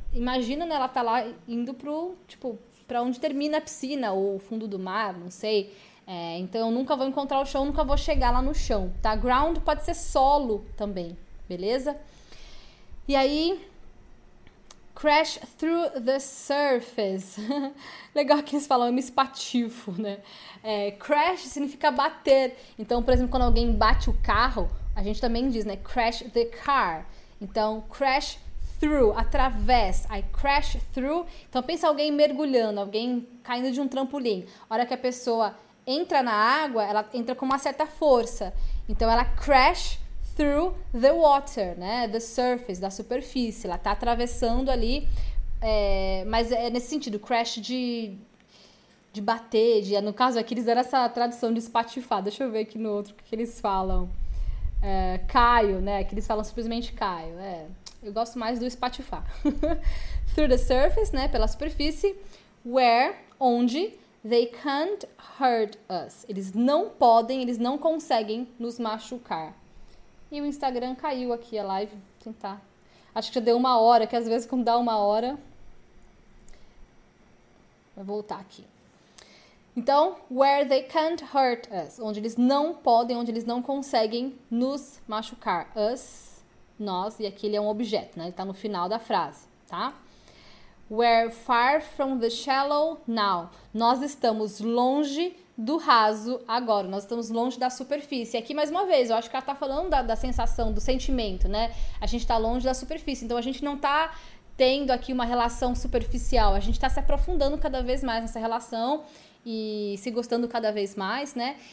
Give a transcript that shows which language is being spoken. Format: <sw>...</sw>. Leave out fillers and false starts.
<pt>Imagina, né, ela tá lá indo para onde termina a piscina ou o fundo do mar, não sei. Então eu nunca vou encontrar o chão, nunca vou chegar lá no chão, tá? Ground pode ser solo também, beleza? E aí,</pt> <en>Crash through the surface.</en> <pt>Legal que eles falam, eu me espatifo, né? É, crash significa bater. Então, por exemplo, quando alguém bate o carro, a gente também diz, né?</pt> <en>Crash the car.</en> <pt>Então, crash through, através.</pt> <en>I crash through.</en> <pt>Então, pensa alguém mergulhando, alguém caindo de um trampolim. A hora que a pessoa entra na água, ela entra com uma certa força. Então, ela</pt> <en>crash through the water,</en> <pt>né? The surface, da superfície. Ela tá atravessando ali, mas é nesse sentido, crash de bater, no caso aqui eles deram essa tradução de espatifar. Deixa eu ver aqui no outro que eles falam. É, caio, né? Que eles falam simplesmente caio. Eu gosto mais do espatifar.</pt> <en>Through the surface,</en> <pt>né? Pela superfície.</pt> <en>Where,</en> <pt>onde,</pt> <en>they can't hurt us.</en> <pt>Eles não podem, eles não conseguem nos machucar. E o Instagram caiu aqui a live. Tentar. Acho que já deu uma hora, que às vezes quando dá uma hora. Vou voltar aqui. Então,</pt> <en>where they can't hurt us.</en> <pt>Onde eles não podem, onde eles não conseguem nos machucar. Us, nós, e aqui ele é um objeto, né? Ele tá no final da frase, tá?</pt> <en>We're far from the shallow now.</en> <pt>Nós estamos longe do raso agora. Nós estamos longe da superfície. Aqui, mais uma vez, eu acho que ela tá falando da sensação, do sentimento, né? A gente tá longe da superfície. Então, a gente não tá tendo aqui uma relação superficial. A gente tá se aprofundando cada vez mais nessa relação e se gostando cada vez mais, né?</pt>